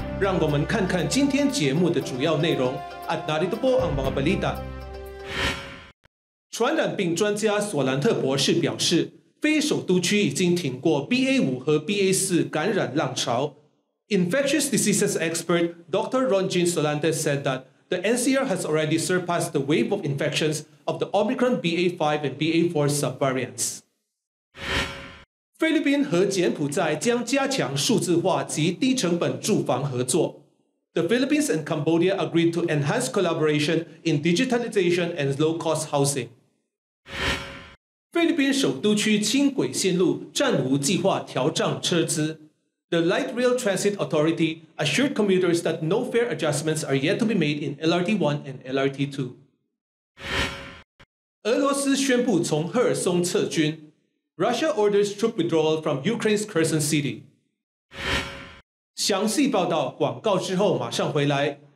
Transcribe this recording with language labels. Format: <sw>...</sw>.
<zh>让我们看看今天节目的主要内容。</zh> <tl>At narito po ang mga balita。</tl> <zh>传染病专家索兰特博士表示，非首都区已经挺过 BA.5 和 BA.4 感染浪潮。</zh> <en>Infectious diseases expert Dr. Ronjin Solante said that. The NCR has already surpassed the wave of infections of the Omicron BA.5 and BA.4 subvariants.</en> <zh>菲律宾和柬埔寨将加强数字化及低成本住房合作。</zh> <en>The Philippines and Cambodia agreed to enhance collaboration in digitization and low-cost housing.</en> <zh>菲律宾首都区轻轨线路暂无计划调涨车资。</zh> <en>The Light Rail Transit Authority assured commuters that no fare adjustments are yet to be made in LRT1 and LRT2.</en> <zh>俄罗斯宣布从赫尔松撤军。</zh> <en>Russia orders troop withdrawal from Ukraine's Kherson city.</en> <zh>详细报道广告之后马上回来。</zh>